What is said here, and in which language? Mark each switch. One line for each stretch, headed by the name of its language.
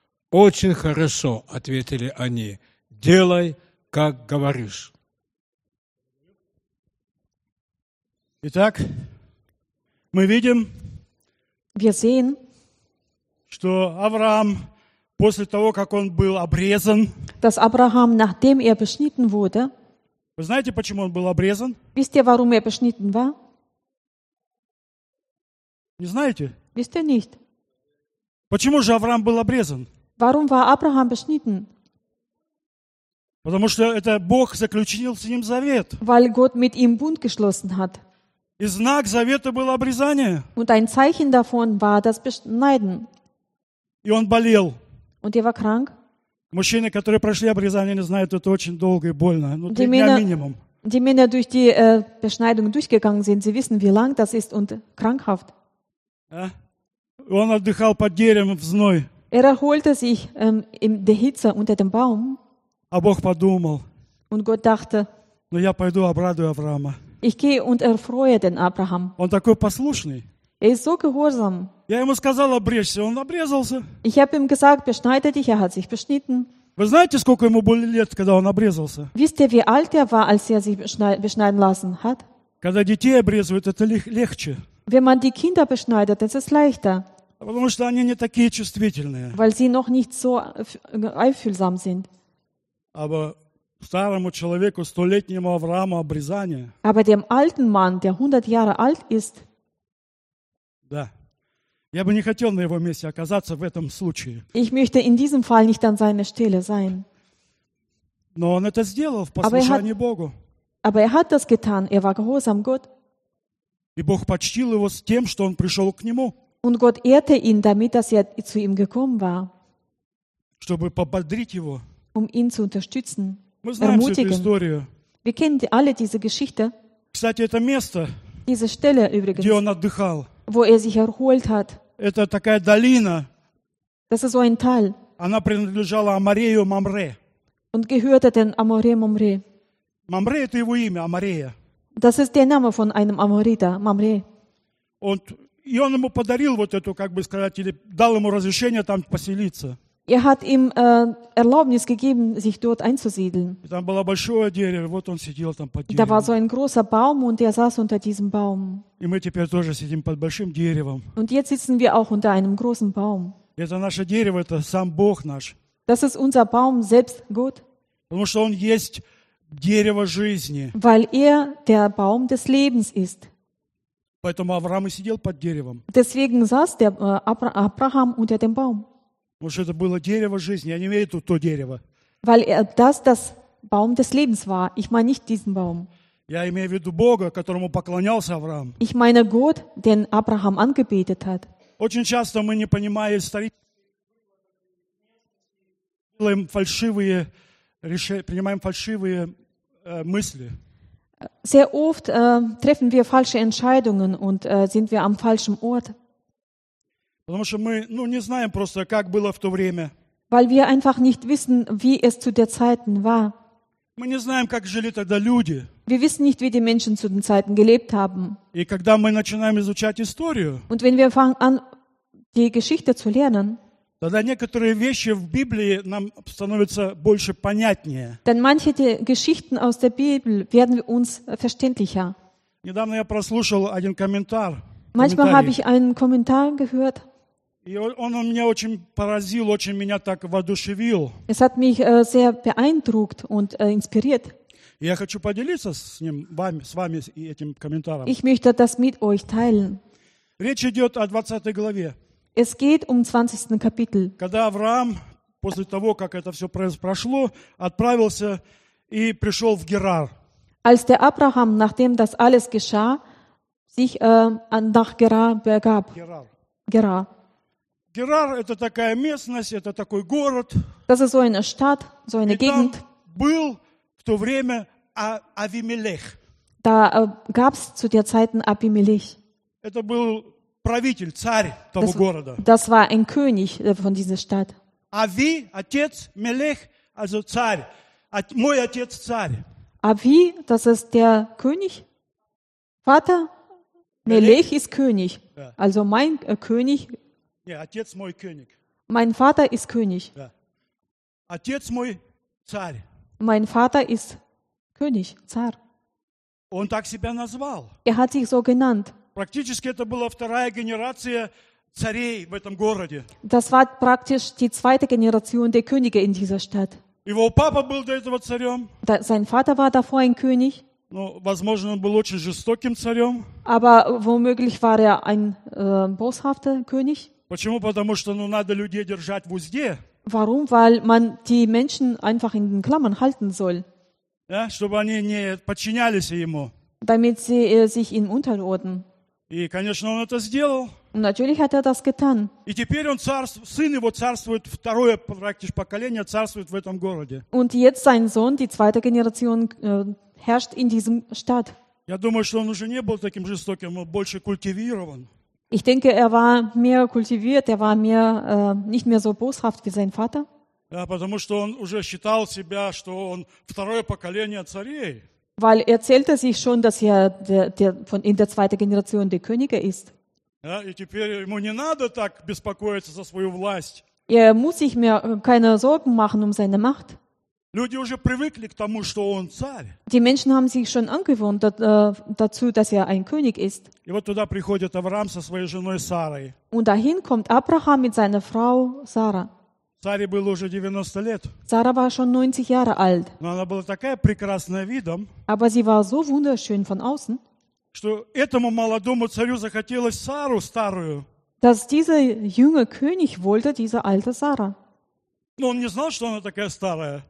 Russian: «Очень хорошо», — ответили они, — «делай, как говоришь». Итак, мы видим, что Авраам, после того, как он был обрезан,
German: dass Abraham, nachdem beschnitten wurde,
Russian: вы знаете, почему он был обрезан?
German: Wisst ihr, warum beschnitten war?
Russian: Не знаете?
German: Wisst ihr nicht?
Russian: Почему же Авраам был обрезан?
German: Warum war Abraham beschnitten?
Russian: Потому что это Бог заключил с ним завет.
German: Weil Gott mit ihm Bund geschlossen hat.
Russian: И знак завета было обрезание.
German: Und ein Zeichen davon war das Beschneiden.
Russian: И он болел.
German: Und er war krank.
Russian: Мужчины, которые прошли обрезание, знают, это очень долго и больно. Ну, три дня минимум.
German: Die Männer, durch die Beschneidung durchgegangen sind, sie wissen, wie lang das ist und krankhaft.
Russian: Он отдыхал под деревом в зной.
German: Er erholte sich in der Hitze unter dem Baum.
Russian: А Бог подумал.
German: Und Gott dachte,
Russian: ну, я пойду обрадую Авраама.
German: Ich gehe und erfreue den Abraham.
Russian: Он такой послушный.
German: Er ist so gehorsam.
Russian: Я ему сказал, обрежься, он обрезался.
German: Ich habe ihm gesagt, beschneide dich, er hat sich beschnitten.
Russian: Вы знаете, сколько ему было лет, когда он обрезался?
German: Wisst ihr, wie alt er war, als er sich beschneiden lassen hat?
Russian: Когда детей обрезывают, это легче.
German: Wenn man die Kinder beschneidet, das ist leichter.
Russian: Потому что они не такие чувствительные.
German: Weil sie noch nicht so einfühlsam sind. Aber
Russian: старому человеку, столетнему Аврааму обрезание.
German: Aber dem alten Mann, der 100 Jahre alt ist.
Russian: Да. Я бы не хотел на его месте оказаться в этом случае.
German: Ich möchte in diesem Fall nicht an seiner Stelle sein.
Russian: Но он это сделал в послушании Богу.
German: Aber er hat das getan. Er war gehorsam Gott.
Russian: И Бог почтил его с тем, что он пришел к нему.
German: Und Gott ehrte ihn damit, dass er zu ihm gekommen war.
Russian: Чтобы пободрить его.
German: Um ihn zu unterstützen.
Russian: Мы знаем всю эту историю.
German: Wir kennen alle diese Geschichte.
Russian: Кстати, это место,
German: diese Stelle übrigens,
Russian: где он отдыхал,
German: wo er sich erholt hat.
Russian: Это такая долина.
German: Das ist so ein Tal.
Russian: Она принадлежала Амарею Мамре.
German: Und gehörte den Amore Mamre.
Russian: Мамре – это его имя, Амарея.
German: Das ist der Name von einem Amorita, Mamre. Und,
Russian: и он ему подарил вот эту, как бы сказать, или дал ему разрешение там поселиться.
German: Er hat ihm Erlaubnis gegeben, sich dort einzusiedeln.
Russian: Там было большое дерево, вот он сидел там под деревом.
German: Da war so ein großer Baum und er saß unter diesem Baum.
Russian: И мы теперь тоже сидим под большим деревом.
German: Und jetzt sitzen wir auch unter einem großen Baum.
Russian: Это наше дерево, это сам Бог наш.
German: Das ist unser Baum, selbst Gott.
Russian: Потому что он есть дерево жизни.
German: Weil er der Baum des Lebens ist.
Russian: Поэтому Авраам и сидел под деревом.
German: Deswegen saß der Abraham unter dem Baum.
Russian: Потому что это было дерево жизни, я не имею в виду то дерево.
German: Weil er das Baum des Lebens war. Ich meine nicht diesen Baum.
Russian: Я имею в виду Бога, которому поклонялся Авраам.
German: Ich meine Gott, den Abraham angebetet hat.
Russian: Очень часто мы не понимаем исторические, делаем фальшивые решения, принимаем фальшивые мысли.
German: Sehr oft treffen wir falsche Entscheidungen und sind wir am falschen Ort.
Russian: Потому что мы, ну, не знаем просто, как было в то время.
German: Weil wir einfach nicht wissen, wie es zu der Zeiten war.
Russian: Мы не знаем, как жили тогда люди.
German: Wir wissen nicht, wie die Menschen zu den Zeiten gelebt haben.
Russian: И когда мы начинаем изучать историю,
German: und wenn wir fangen an, die Geschichte zu lernen,
Russian: тогда некоторые вещи в Библии нам становятся больше понятнее.
German: Denn manche die Geschichten aus der Bibel werden uns verständlicher.
Russian: Недавно я прослушал один комментар.
German: Manchmal habe ich einen Kommentar gehört.
Russian: И он меня очень поразил, очень меня так воодушевил.
German: Es hat mich sehr beeindruckt und inspiriert.
Russian: Я хочу поделиться с ним, с вами и этим комментарием.
German: Ich möchte das mit euch teilen.
Russian: Речь идет о 20 главе.
German: Es geht 20. Kapitel.
Russian: Когда Авраам, после того, как это все прошло, отправился и пришел в Герар.
German: Als der Abraham, nachdem das alles geschah, sich nach Gerar begab. Gerar.
Russian: Герар – это такая местность, это такой город.
German: Das ist so eine Stadt, so eine Gegend.
Russian: Был в то время Авимелех.
German: Da gab's zu der Zeit Abimelech.
Russian: Это был правитель, царь того города.
German: Das war ein König von dieser Stadt.
Russian: Ави – отец, Мелех –
German: also
Russian: царь. Мой отец – царь.
German: Ави – das ist der König, Vater. Мелех ist König, also mein König.
Russian: Нет, отец мой
German: König. Mein Vater ist König.
Russian: Да. Отец мой царь.
German: Mein Vater ist König, Zar.
Russian: Он так себя назвал.
German: Er hat sich so genannt.
Russian: Практически это была вторая генерация царей в этом городе.
German: Das war praktisch die zweite Generation der Könige in dieser Stadt.
Russian: Его папа был до этого царем.
German: Sein Vater war davor ein König.
Russian: Ну, возможно, он был очень жестоким царем.
German: Aber womöglich war ein boshafter König.
Russian: Почему? Потому что, ну, надо людей держать в узде.
German: Warum? Weil man die Menschen einfach in den Klammern halten soll. Ja,
Russian: чтобы они не подчинялись ему.
German: Damit sie sich ihm unterordnen.
Russian: И, конечно, он это сделал.
German: Und natürlich hat das getan.
Russian: И теперь он сын его царствует, второе практически поколение царствует в этом городе.
German: Und jetzt sein Sohn, die zweite Generation, herrscht in diesem Stadt.
Russian: Я думаю, что он уже не был таким жестоким, он больше культивирован.
German: Ich denke, er war mehr kultiviert, er war mehr, nicht mehr so boshaft wie sein Vater. Ja,
Russian: потому что он уже считал себя, что он второе поколение царей.
German: Weil er zählte sich schon, dass er in der zweiten Generation der Könige ist. Ja,
Russian: и теперь ему не надо так беспокоиться за свою власть.
German: Er muss sich mehr keine Sorgen machen um seine Macht.
Russian: Люди уже привыкли к тому, что он царь.
German: Die Menschen haben sich schon angewöhnt dazu, dass ein König ist.
Russian: И вот туда приходит Авраам со своей женой Сарой.
German: Und dahin kommt Abraham mit seiner Frau Sara.
Russian: Саре было уже 90 лет.
German: Sara war schon 90 Jahre alt.
Russian: Но она была такая прекрасная видом.
German: Aber sie war so wunderschön von außen.
Russian: Что этому молодому царю захотелось Сару старую.
German: Dass dieser junge König wollte diese alte Sara.
Russian: Но он не знал, что она такая старая.